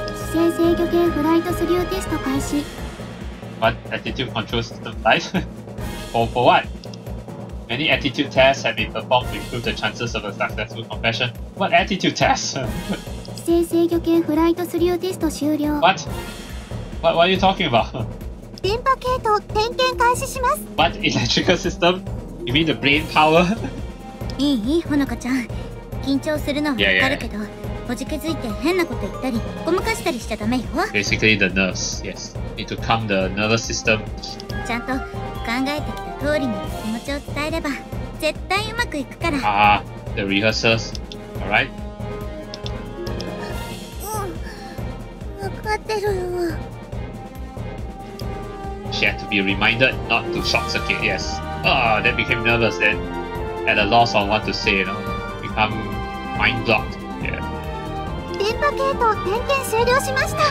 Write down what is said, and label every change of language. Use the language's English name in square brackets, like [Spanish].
[Japanese] 姿勢制御系フライトスリューテスト開始。 [English] What attitude control system light? for what? Many attitude tests have been performed to improve the chances of a successful confession. What attitude test? [Japanese] 姿勢制御系フライトスリューテスト終了。 [English] What? What are you talking about? [Japanese] 電波系統点検開始します。 [English] What electrical system? You mean the brain power? [Japanese] いい、ほのかちゃん。緊張するのはわかるけど、おじけづいて変なこと言ったり、ごまかしたりしちゃダメよ。 [English] Basically the nerves, yes. Need to calm the nervous system. [Japanese] ちゃんと考えてきた通りに気持ちを伝えれば絶対うまくいくから。 [English] ああ、the rehearsals. Alright. [Japanese] うん、分かってるよ。 [English] She had to be reminded not to short circuit, yes. Ah, that became nervous then. At a loss on what to say, you know. Become mind blocked, yeah. [Japanese] 電波系統点検終了しました。